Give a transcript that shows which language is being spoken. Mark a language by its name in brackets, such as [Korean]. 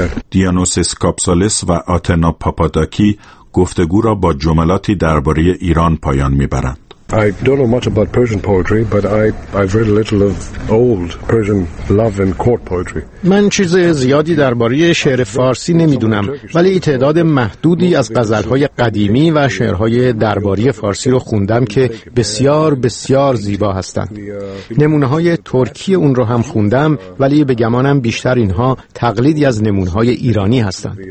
[Persian] دیانوسیس کاپسالیس و آتنا پاپاداکی گفتگو را با جملاتی درباره ایران پایان می‌برند. [English] I don't know much about Persian poetry, but I've read a little of old Persian love and court poetry. [Persian] من چیز زیادی درباره شعر فارسی نمیدونم، ولی تعداد محدودی از غزل‌های قدیمی و شعرهای درباری فارسی رو خوندم که بسیار بسیار زیبا هستند. نمونه‌های ترکی اون رو هم خوندم، ولی به گمانم بیشتر اینها تقلیدی از نمونه‌های ایرانی هستند.